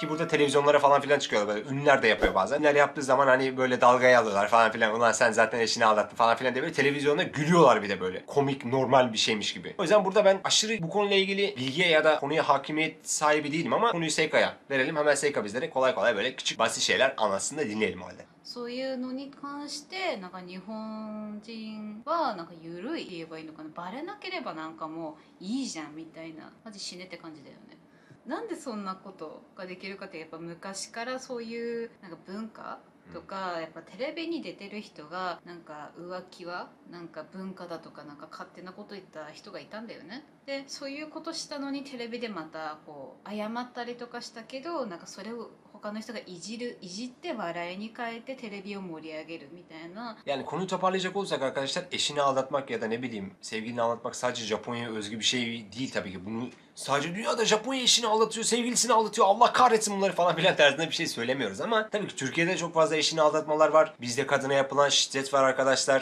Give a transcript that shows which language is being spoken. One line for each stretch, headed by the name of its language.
Turkish: Ki burada televizyonlara falan filan çıkıyor. Böyle ünlüler de yapıyor bazen. Ünlüler yaptığı zaman hani böyle dalgaya alıyorlar falan filan. Ulan sen zaten eşini aldattın falan filan diye böyle televizyonda gülüyorlar bir de böyle. Komik, normal bir şeymiş gibi. O yüzden burada ben aşırı bu konuyla ilgili bilgiye ya da konuya hakimiyet sahibi değilim ama konuyu Seika'ya verelim. Hemen Seika bizlere kolay kolay böyle küçük basit şeyler anlatsın da dinleyelim o halde.
Japanese: そういうのに関してなんか日本人はなんか緩い言えばいいのかな、バレなければなんかもういいじゃんみたいな、マジ死ねって感じだよね。なんでそんなことができるかって、やっぱ昔からそういうなんか文化とか、やっぱテレビに出てる人がなんか浮気はなんか文化だとか、なんか勝手なこと言った人がいたんだよね。でそういうことしたのにテレビでまたこう謝ったりとかしたけど、なんかそれを他他の人がいじる、いじって笑いに変えてテレビを盛り上げるみたいな。
Turkish: Yani konuyu toparlayacak olursak arkadaşlar, eşini aldatmak ya da ne bileyim sevgilini aldatmak sadece Japonya'ya özgü bir şey değil tabii ki. Bunu sadece dünyada Japonya eşini aldatıyor, sevgilisini aldatıyor, Allah kahretsin bunları falan filan tarzında bir şey söylemiyoruz. Ama tabii ki Türkiye'de çok fazla eşini aldatmalar var. Bizde kadına yapılan şiddet var arkadaşlar.